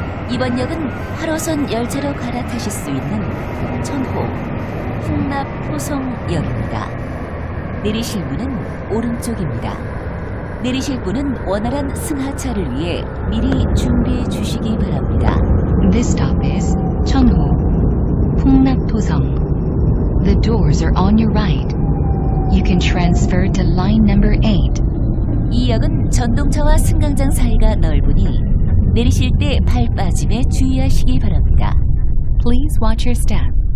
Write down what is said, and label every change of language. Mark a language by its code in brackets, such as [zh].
[ko] 이번 역은 8호선 열차로 갈아타실 수 있는 천호 풍납 포송역입니다. 내리실 문은 오른쪽입니다. 내리실 분은 원활한 승하차를 위해 미리 준비해 주시기 바랍니다. [en] This stop is 천호 풍납 포송. The doors are on your right. You can transfer to line number 8. [ko] 이 역은 전동차와 승강장 사이가 넓으니 내리실 때 발 빠짐에 주의하시기 바랍니다. [en] Please watch your step.